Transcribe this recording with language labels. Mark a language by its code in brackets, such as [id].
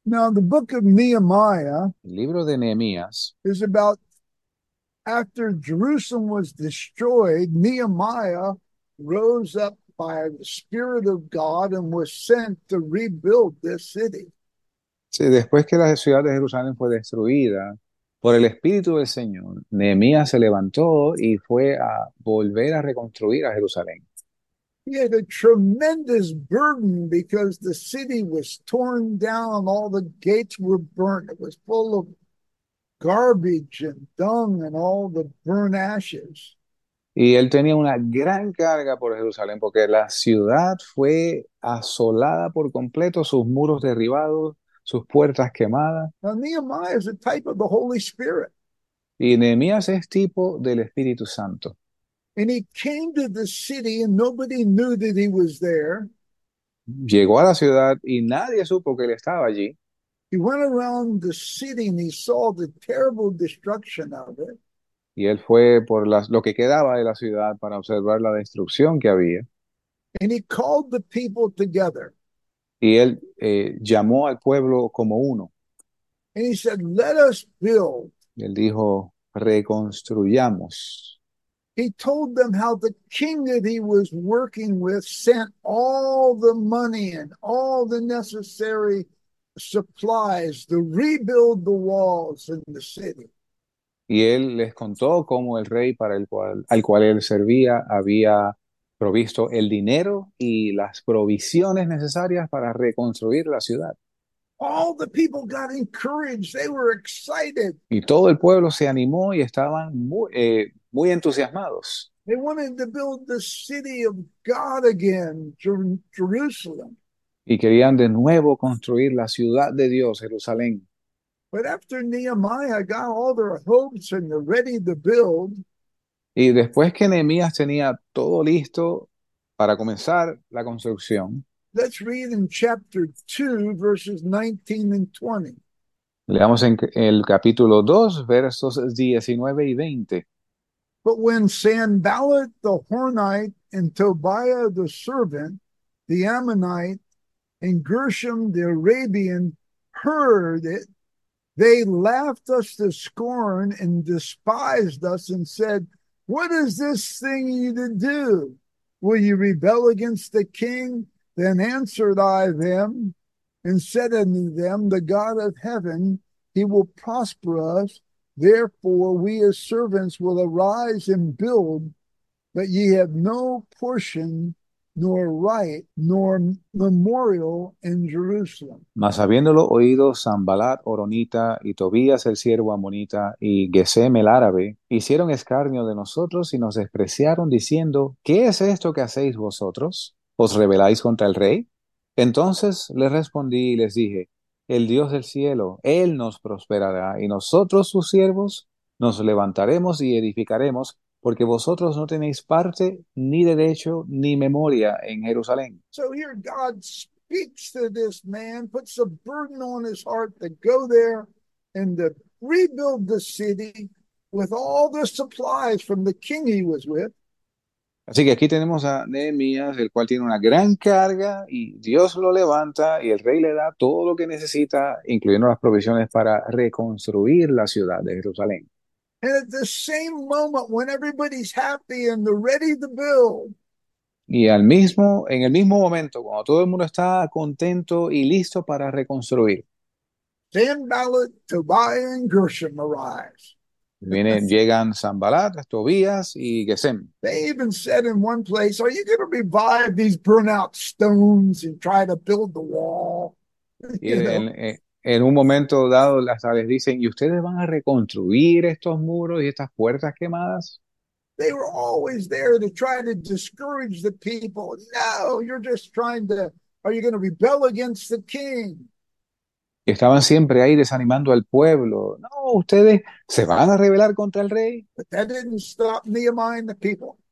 [en] Now, the book of Nehemiah [es] El libro de Nehemías. [en] is about after Jerusalem was destroyed, Nehemiah rose up by the Spirit of God and was sent to rebuild this city. [es] Sí, después que la ciudad de Jerusalén fue destruida por el Espíritu del Señor, Nehemías se levantó y fue a volver a reconstruir a Jerusalén. [en] He had a tremendous burden because the city was torn down, all the gates were burnt. It was full of garbage and dung and all the burnt ashes. [es] Y él tenía una gran carga por Jerusalén porque la ciudad fue asolada por completo, sus muros derribados, sus puertas quemadas. [en] Now, Nehemiah is a type of the Holy Spirit. [es] Y Nehemías es tipo del Espíritu Santo. [en] And he came to the city and nobody knew that he was there. [es] Llegó a la ciudad y nadie supo que él estaba allí. [en] He went around the city and he saw the terrible destruction of it. [es] Y él fue por lo que quedaba de la ciudad para observar la destrucción que había. [en] And he called the people together. [es] Y él llamó al pueblo como uno. [en] And he said, "Let us build." [es] Y él dijo, reconstruyamos. [en] He told them how the king that he was working with sent all the money and all the necessary supplies to rebuild the walls in the city. [es] Y él les contó cómo el rey para el cual al cual él servía había provisto el dinero y las provisiones necesarias para reconstruir la ciudad. [en] All the people got encouraged. They were excited. [es] Y todo el pueblo se animó y estaban muy entusiasmados. [en] They wanted to build the city of God again, Jerusalem. [es] Y querían de nuevo construir la ciudad de Dios, Jerusalén. [en] But after Nehemiah got all their hopes and they're ready to build, [es] Y después que Nehemías tenía todo listo para comenzar la construcción, [en] let's read in chapter 2, verses 19 and 20. [es] leamos en el capítulo 2, versos 19 y 20. [en] But when Sanballat the Horonite and Tobiah the servant, the Ammonite, and Geshem the Arabian heard it, they laughed us to scorn and despised us and said, "What is this thing you to do? Will you rebel against the king?" Then answered I them and said unto them, "The God of heaven, he will prosper us. Therefore, we as servants will arise and build, but ye have no portion, nor right, nor memorial in Jerusalem." [es] Mas habiéndolo oído Sanbalat, Horonita, y Tobías el siervo amonita, y Gesem el árabe, hicieron escarnio de nosotros y nos despreciaron, diciendo: ¿Qué es esto que hacéis vosotros? ¿Os rebeláis contra el rey? Entonces les respondí y les dije: El Dios del cielo, Él nos prosperará, y nosotros, sus siervos, nos levantaremos y edificaremos, porque vosotros no tenéis parte, ni derecho, ni memoria en Jerusalén. [en] So here God speaks to this man, puts a burden on his heart to go there and to rebuild the city with all the supplies from the king he was with. [es] Así que aquí tenemos a Nehemías, el cual tiene una gran carga y Dios lo levanta y el rey le da todo lo que necesita, incluyendo las provisiones para reconstruir la ciudad de Jerusalén. [en] And at the same moment when everybody's happy and they're ready to build, [es] Y en el mismo momento, cuando todo el mundo está contento y listo para reconstruir, [en] Sanballat, Tobiah, and Gershom arise. [es] llegan Sanbalat, Tobías y Gesem. [en] They even said in one place, "Are you going to revive these burnt-out stones and try to build the wall?" [es] Y en un momento dado, les dicen: ¿Y ustedes van a reconstruir estos muros y estas puertas quemadas? [en] They were always there to try to discourage the people. No, you're just trying to. Are you going to rebel against the king? [es] Y estaban siempre ahí desanimando al pueblo. No, ustedes se van a rebelar contra el rey. [en] But that didn't stop Nehemiah and the people.